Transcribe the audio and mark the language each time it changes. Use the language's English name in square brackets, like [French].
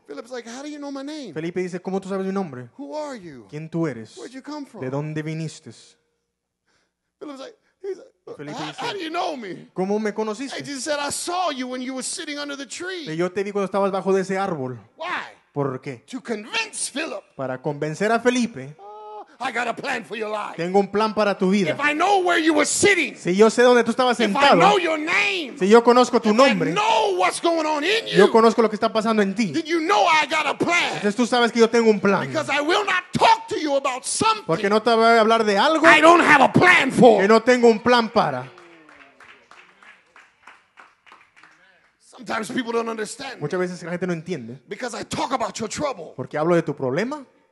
[English] Philip's like, "How do you know my name?" [Spanish] Felipe dice, ¿cómo tú sabes mi nombre? [English] Who are you? [Spanish] ¿Quién tú eres? [English] Where'd you come from? [Spanish] ¿De dónde viniste? [English] Philip's like, [Spanish] Felipe dice, [English] "How do you know me?" [Spanish] ¿Cómo me conociste? [English] Hey, Jesus said, "I saw you when you were sitting under the tree." [Spanish] Yo te vi cuando estabas bajo de ese árbol. [English] Why? [Spanish] ¿Por qué? [English] To convince Philip. [Spanish] Para convencer a Felipe. [English] I got a plan for your life. [Spanish] Tengo un plan para tu vida. [English] If I know where you were sitting. [Spanish] Si yo sé dónde tú estabas sentado. [English] If I know your name. [Spanish] Si yo conozco tu [English] if [Spanish] nombre. [English] I know what's going on in you. [Spanish] Yo conozco lo que está pasando en ti. [English] Then you know I got a plan. [Spanish] Entonces tú sabes que yo tengo un plan. [English] Because I will not talk to you about something. [Spanish] Porque no te voy a hablar de algo. [English] I don't have a plan for. [Spanish] Que no tengo un plan para. [English] Sometimes people don't understand. [Spanish] Muchas veces la gente no entiende. [English] Because I talk about your trouble. [Spanish] Porque hablo de tu problema.